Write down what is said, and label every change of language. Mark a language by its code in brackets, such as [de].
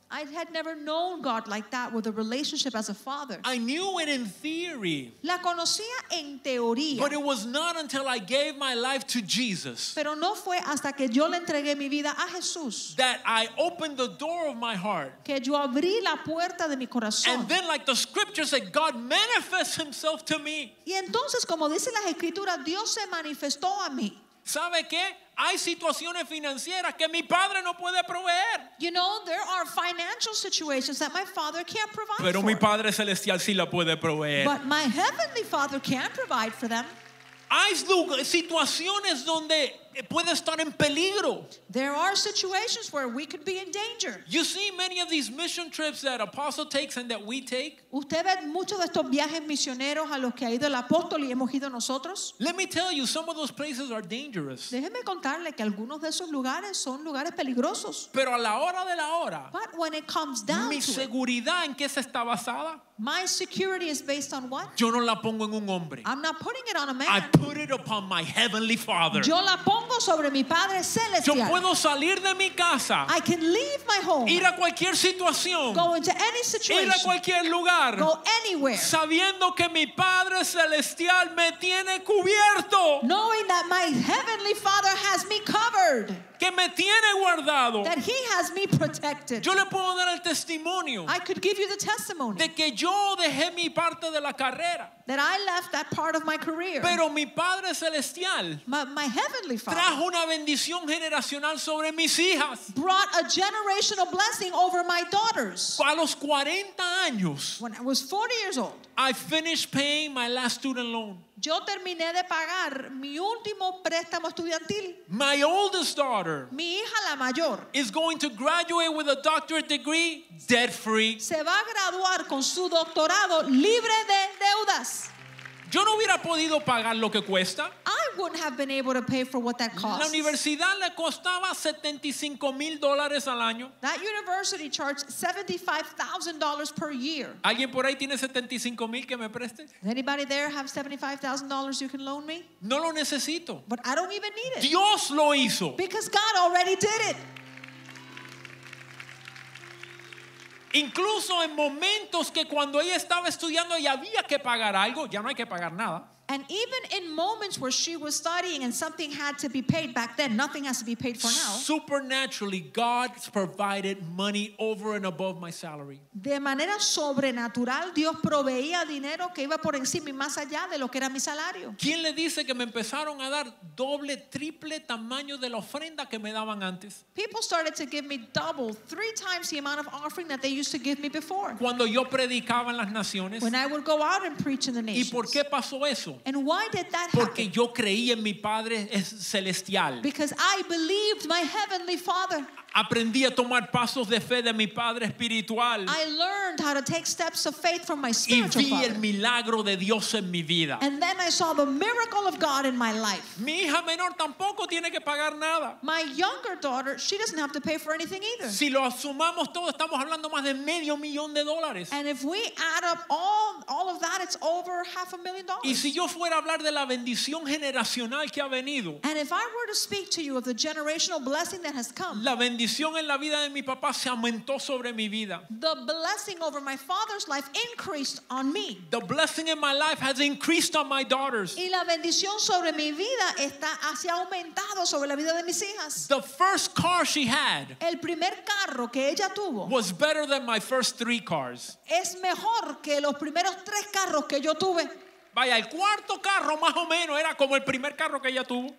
[en] I had never known God like that with a relationship as a father. I knew it in theory. [es] La conocía en teoría. [en] But it was not until I gave my life to Jesus. [es] Pero no fue hasta que yo le entregué mi vida a Jesús. [en] That I opened the door of my heart. [es] Que yo abrí la puerta de mi corazón. [en] And then, like the scripture said, God manifests himself to me. [es] Y entonces, como dice las escrituras, Dios se manifestó a mí. ¿Sabe qué? Hay situaciones financieras que mi padre no puede proveer. [en] You know, there are financial situations that my father can't provide for. [es] Pero mi padre celestial sí la puede proveer. [en] But my heavenly father can provide for them. [es] Hay situaciones donde puede estar en peligro. [en] There are situations where we could be in danger. You see many of these mission trips that Apostle takes and that we take. [es] Usted ve muchos de estos viajes misioneros a los que ha ido el apóstol y hemos ido nosotros. [en] Let me tell you, some of those places are dangerous. [es] Déjeme contarle que algunos de esos lugares son lugares peligrosos. Pero a la hora de la hora, [en] but when it comes down [es] mi seguridad, ¿en qué se está basada? [en] My security is based on what? [es] Yo no la pongo en un hombre. [en] I'm not putting it on a man. I put it upon my heavenly father. [es] Yo la pongo sobre mi padre celestial. Yo puedo salir de mi casa. [en] I can leave my home. [es] Ir a cualquier situación. [en] Go into any situation. [es] Ir a cualquier lugar. [en] Go anywhere. [es] Sabiendo que mi padre celestial me tiene cubierto. [en] Knowing that my heavenly father has me covered. [es] Que me tiene guardado. [en] That he has me protected. [es] Yo le puedo dar el testimonio. [en] I could give you the testimony. [es] De que yo dejé mi parte de la carrera. [en] That I left that part of my career. [es] Pero mi padre celestial. [en] My heavenly father. [es] Trajo una bendición generacional sobre mis hijas. [en] Brought a generational blessing over my daughters. [es] A los 40 años. [en] When I was 40 years old. I finished paying my last student loan. [es] Yo terminé de pagar mi último préstamo estudiantil. [en] My oldest daughter, [es] mi hija la mayor, [en] is going to graduate with a doctorate degree debt free. [es] Se va a graduar con su doctorado libre de deudas. Yo no hubiera podido pagar lo que cuesta. [en] I wouldn't have been able to pay for what that costs. [es] La universidad le costaba $75,000 al año. [en] That university charged $75,000 per year. [es] ¿Alguien por ahí tiene $75,000 que me preste? [en] Does anybody there have $75,000 you can loan me? [es] No lo necesito. [en] But I don't even need it. [es] Dios lo hizo. [en] Because God already did it. [es] Incluso en momentos que cuando ella estaba estudiando y había que pagar algo, ya no hay que pagar nada. [en] And even in moments where she was studying and something had to be paid back then, nothing has to be paid for now. Supernaturally, God provided money over and above my salary. [es] De manera sobrenatural, Dios proveía dinero que iba por encima y más allá de lo que era mi salario. ¿Quién le dice que me empezaron a dar doble, triple tamaño de la ofrenda que me daban antes? [en] People started to give me double, three times the amount of offering that they used to give me before. [es] Cuando yo predicaba en las naciones. [en] When I would go out and preach in the nations. [es] ¿Y por qué pasó eso? [en] And why did that happen? [es] Porque yo creí en mi padre celestial. [en] Because I believed my heavenly father. [es] Aprendí a tomar pasos de fe de mi padre espiritual. [en] I learned how to take steps of faith from my spiritual father. [es] Y vi el milagro de Dios en mi vida. [en] And then I saw the miracle of God in my life. [es] Mi hija menor tampoco tiene que pagar nada. [en] My younger daughter, she doesn't have to pay for anything either. [es] Si lo sumamos todo, estamos hablando más de medio millón de dólares. [en] And if we add up all of that, it's over $500,000. [es] Y si yo fuera a hablar de la bendición generacional que ha venido. [en] And if I were to speak to you of the generational blessing that has come. [es] La bendición en la vida de mi papá se aumentó sobre mi vida. [en] The blessing blessing over my father's life increased on me. The blessing in my life has increased on my daughters. [es] Y la bendición sobre mi vida está así aumentado sobre la vida de mis hijas. [en] The first car she had, [es] el primer carro que ella tuvo, [en] was better than my first three cars. [es] Es mejor que los primeros tres carros que yo tuve. Vaya, el cuarto carro más o menos era como el primer carro que ella tuvo.